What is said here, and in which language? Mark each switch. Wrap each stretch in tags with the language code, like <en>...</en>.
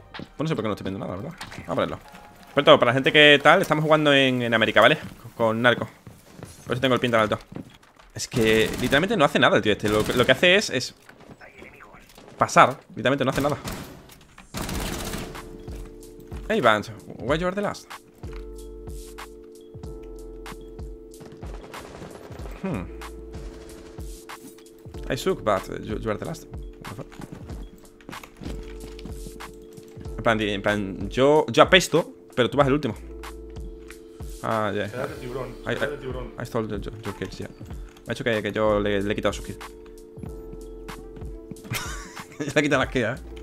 <es>Pues no sé por qué no estoy poniendo nada, ¿verdad? Vamos a ponerlo. Pero todo, para la gente que tal, estamos jugando en América, ¿vale? Con narco. Por eso tengo el pin tan alto. Es que literalmente no hace nada el tío este. Lo que hace es pasar. Literalmente no hace nada.</es> <en>Hey, Vance, why you are the last? I suck, but you are the last.</en> <es>En plan yo apesto, pero tú vas el último. Ah, ya.</es> <en>Yeah. I stole your kills,</en> <es>ya.</es> <en>Yeah.</en> <es>Me ha dicho que yo le he quitado su kill. Ya le he quitado la kill, ¿eh?</es>